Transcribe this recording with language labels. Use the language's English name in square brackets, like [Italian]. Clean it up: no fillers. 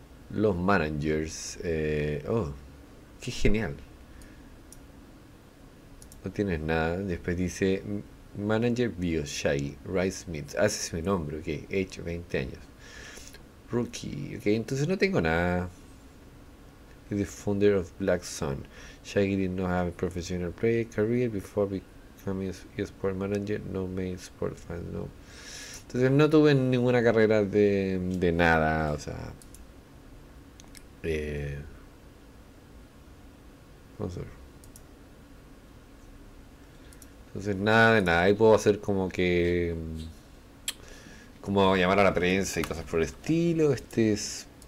[Spanish] Los managers. Oh, qué genial. No tienes nada. Después dice Manager Bio Shai Rice Smith. Ese es mi nombre, ok. Age 20 años. Rookie. Ok, entonces no tengo nada. [English] The founder of Black Sun. Shaggy did not have a professional play career before becoming a sport manager. No main sport fan, no. [Spanish] Entonces no tuve ninguna carrera de nada, o sea. Vamos a ver. Entonces nada de nada. Ahí puedo hacer como que. Como llamar a la prensa y cosas por el estilo. Este es.